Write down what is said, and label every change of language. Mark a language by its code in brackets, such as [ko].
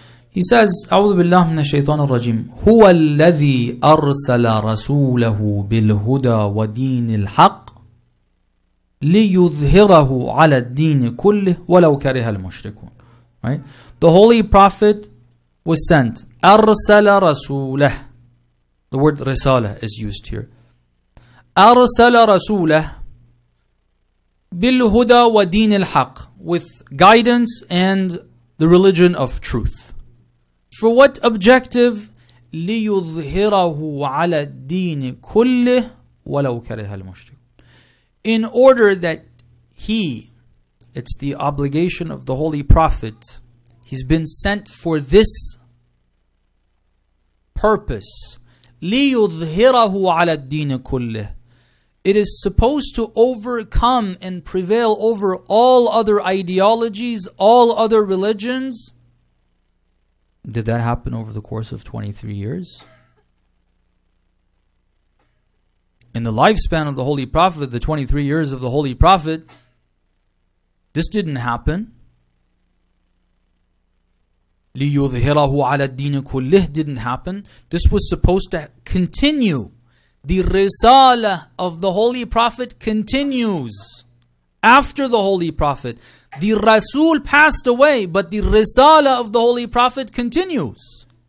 [en] He says, [ar] أعوذ بالله من الشيطان الرجيم. هو الذي أرسل رسوله بالهدى ودين الحق ليظهره على الدين كله ولو كره المشركون. [en] Right? The Holy Prophet was sent. [ar] أرسل رسوله. [en] The word رساله is used here. [ar] أرسل رسوله بالهدى ودين الحق. [en] With guidance and the religion of truth. For what objective? [ar] لِيُظْهِرَهُ عَلَى الدِّينِ كُلِّهِ وَلَوْ كَرِهَ الْمُشْرِكُونَ. [en] In order that he, it's the obligation of the Holy Prophet, he's been sent for this purpose. [ar] لِيُظْهِرَهُ عَلَى الدِّينِ كُلِّهِ. [en] It is supposed to overcome and prevail over all other ideologies, all other religions. Did that happen over the course of 23 years? In the lifespan of the Holy Prophet, the 23 years of the Holy Prophet, this didn't happen. [ar] لِيُظْهِرَهُ عَلَى الدِّينِ كُلِّهِ [en] didn't happen. This was supposed to continue. The رِسَالَة of the Holy Prophet continues. After the Holy Prophet, the Rasul passed away, but the Risala of the Holy Prophet continues.